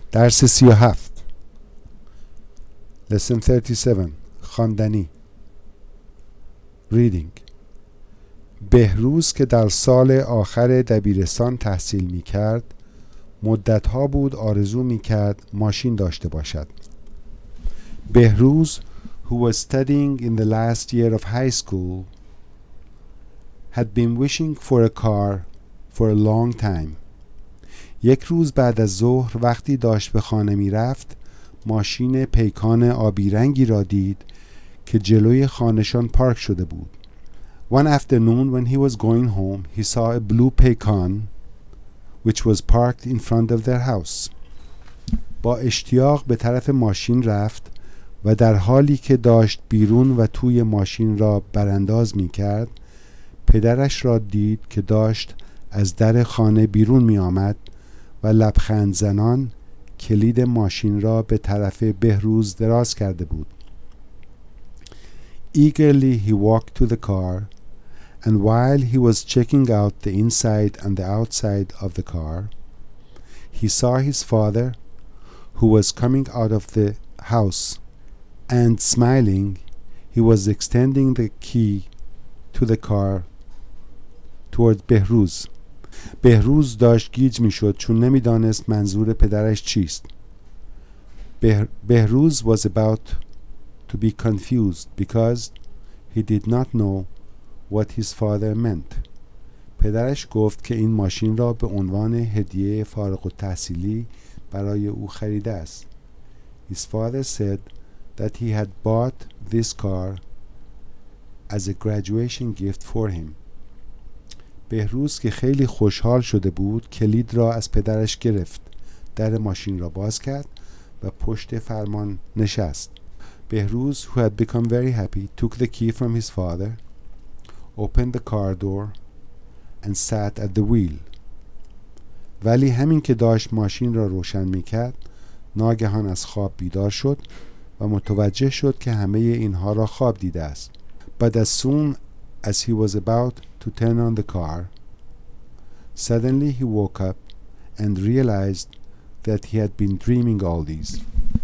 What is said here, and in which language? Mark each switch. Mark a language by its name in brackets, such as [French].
[Persian] درس 37 [English] Lesson 37 [Persian] خواندنی [English] Reading [Persian] بهروز که در سال آخر دبیرستان تحصیل می کرد مدت ها بود آرزو می کرد ماشین داشته باشد. [English] بهروز who was studying in the last year of high school had been wishing for a car for a long time. [Persian] یک روز بعد از ظهر وقتی داشت به خانه می رفت ماشین پیکان آبی رنگی را دید که جلوی خانه‌شان پارک شده بود. [English] One afternoon when he was going home he saw a blue Peikon which was parked in front of their house. [Persian] با اشتیاق به طرف ماشین رفت و در حالی که داشت بیرون و توی ماشین را برانداز می کرد پدرش را دید که داشت از در خانه بیرون می آمد و لبخند زنان کلید ماشین را به طرف بهروز دراز کرده بود. [English] Eagerly he walked to the car and while he was checking out the inside and the outside of the car he saw his father who was coming out of the house and smiling he was extending the key to the car towards بهروز. [Persian] بهروز داشت گیج می شد چون نمی دانست منظور پدرش چیست. [English] بهروز was about to be confused because he did not know what his father meant. [Persian] پدرش گفت که این ماشین را به عنوان هدیه فارغ التحصیلی برای او خریده است. [English] His father said that he had bought this car as a graduation gift for him. [Persian] بهروز که خیلی خوشحال شده بود کلید را از پدرش گرفت، در ماشین را باز کرد و پشت فرمان نشست. [English] بهروز who had become very happy took the key from his father, opened the car door and sat at the wheel. [Persian] ولی همین که داشت ماشین را روشن می‌کرد، ناگهان از خواب بیدار شد و متوجه شد که همه اینها را خواب دیده است. [English] But as soon as he was about to turn on the car, suddenly he woke up and realized that he had been dreaming all these.